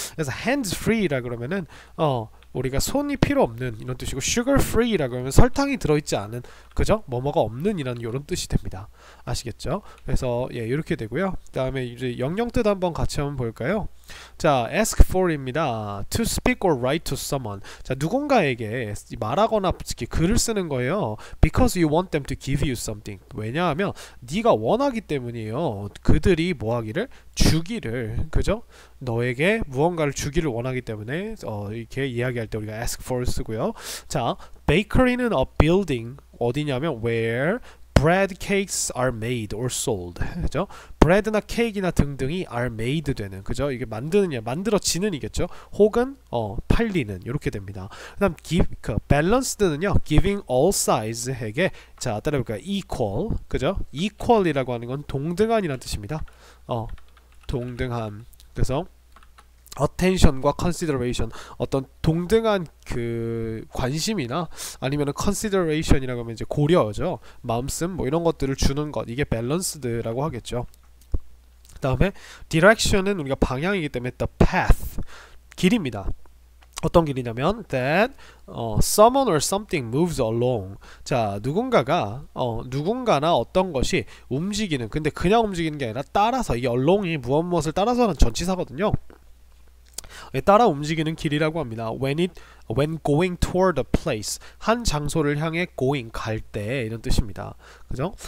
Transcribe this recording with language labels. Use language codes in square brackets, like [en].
[ko] 그래서 hands free라 그러면은 우리가 손이 필요 없는 이런 뜻이고, sugar free라고 하면 설탕이 들어있지 않은, 그죠? 뭐뭐가 없는 이런 뜻이 됩니다. 아시겠죠? 그래서 이렇게 되고요. 그다음에 이제 영영뜻 한번 같이 한번 볼까요? [en] 자, ask for [ko] 입니다. [en] To speak or write to someone. [ko] 자, 누군가에게 말하거나 이렇게 글을 쓰는 거예요. [en] Because you want them to give you something. [ko] 왜냐하면 네가 원하기 때문이에요. 그들이 뭐 하기를? 주기를, 그죠? 너에게 무언가를 주기를 원하기 때문에 이렇게 이야기할 때 우리가 ask for 쓰고요. [en] 자, bakery는 a building [ko] 어디냐면 [en] where bread cakes are made or sold, 그죠? [ko] bread나 cake이나 등등이 are made 되는, 그죠? 이게 만드느냐, 만들어지는 이겠죠? 혹은 팔리는 이렇게 됩니다. 그다음 balanced는요, [en] giving all size [ko] 에게, 자 따라해볼까요? equal, 그죠? equal이라고 하는 건 동등한이라는 뜻입니다. 동등함. 그래서 attention과 consideration, 어떤 동등한 그 관심이나 아니면은 consideration이라고 하면 이제 고려죠. 마음씀 뭐 이런 것들을 주는 것, 이게 밸런스드라고 하겠죠. 그다음에 direction은 우리가 방향이기 때문에 the path, 길입니다. [en] 어떤 길이냐면 that someone or something moves along. [ko] 자, 누군가가 누군가나 어떤 것이 움직이는, 근데 그냥 움직이는 게 아니라 따라서, 이게 along이 무엇무엇을 따라서 하는 전치사거든요. 따라 움직이는 길이라고 합니다. [en] When going toward a place, [ko] 한 장소를 향해 going, 갈때 이런 뜻입니다. 그죠?